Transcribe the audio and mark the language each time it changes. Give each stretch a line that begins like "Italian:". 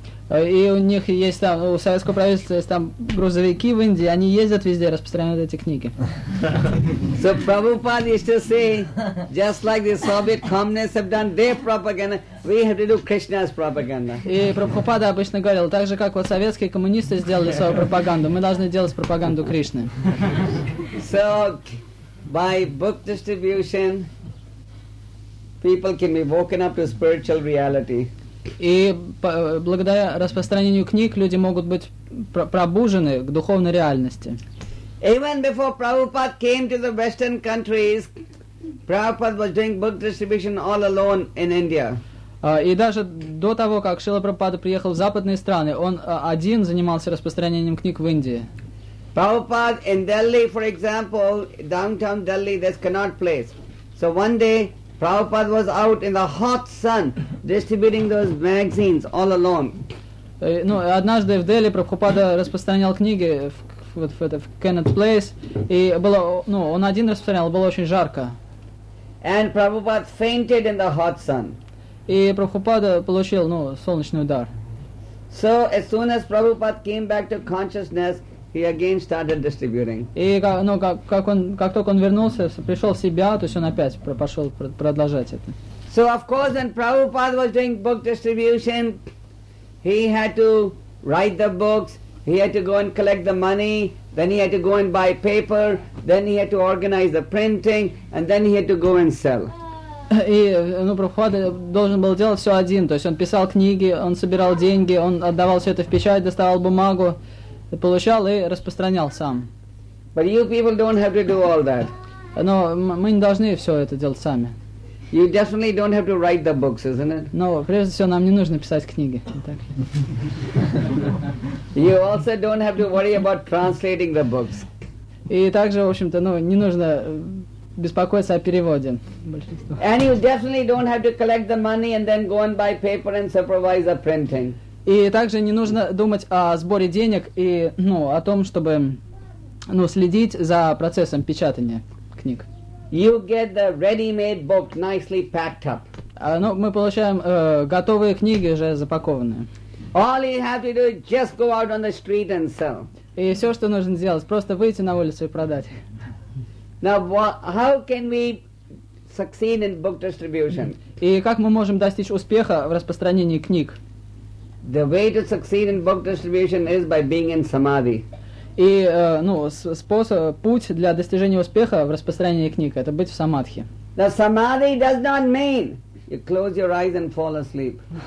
Russian: И у них есть там, у советского правительства есть там грузовики в Индии, они ездят везде, распространяют эти книги.
English: So Prabhupada used to say, just like the Soviet communists have done their propaganda, we have to do Krishna's propaganda.
Russian: И Прабхупада обычно говорил, так же, как вот советские коммунисты сделали свою пропаганду, мы должны делать пропаганду Кришны.
English: So, by book distribution, people can be woken up to spiritual reality.
Russian: И благодаря распространению книг люди могут быть пробужены к духовной реальности.
English: Even before Prabhupada came to the Western countries, Prabhupada was doing book distribution all alone in India.
Russian: И даже до того, как Шрила Прабхупада приехал в западные страны, он один занимался распространением книг в Индии.
English: Prabhupada in Delhi, for example, downtown Delhi, there's Connaught Place. So one day, Prabhupada was out in the hot sun distributing those magazines all alone.
Russian: Ну, однажды в Дели Прабхупада распространял книги в Connaught Place, и было, ну, он один распространял, было очень жарко.
English: And Prabhupada fainted in the hot sun.
Russian: И Прабхупада получил, ну, солнечный удар.
English: So as soon as Prabhupada came back to consciousness, he again started distributing.
Russian: И как только он вернулся, пришел в себя, то есть он опять пошел продолжать это.
English: So of course, when Prabhupada was doing book distribution, he had to write the books, he had to go and collect the money, then he had to go and buy paper, then he had to organize the printing, and then he had to go and sell.
Russian: И, ну, Прабхупада должен был делать все один, то есть он писал книги, он собирал деньги, он отдавал все это в печать, доставал бумагу, получал и распространял сам.
English: But you people don't have to do all that.
Russian: Но мы не должны все это делать сами.
English: You definitely don't have to write the books, isn't it? No,
Russian: прежде всего нам не нужно писать книги. Так.
English: You also don't have to worry about translating the books.
Russian: И также, в общем-то, ну, не нужно беспокоиться о переводе.
English: And you definitely don't have to collect the money and then go and buy paper and supervise the printing.
Russian: И также не нужно думать о сборе денег и, ну, о том, чтобы, ну, следить за процессом печатания книг.
English: You get the ready-made book nicely packed up.
Russian: Ну, мы получаем готовые книги уже запакованные.
English: All you have to do is just go out on the street and sell.
Russian: И все, что нужно сделать, просто выйти на улицу и продать.
English: Now, how can we succeed in book distribution?
Russian: И как мы можем достичь успеха в распространении книг?
English: The way to succeed in book distribution is by being in samadhi.
Russian: И, ну, способ, путь для достижения успеха в распространении книг — это быть в самадхи.
English: The samadhi does not mean you close your eyes and fall asleep.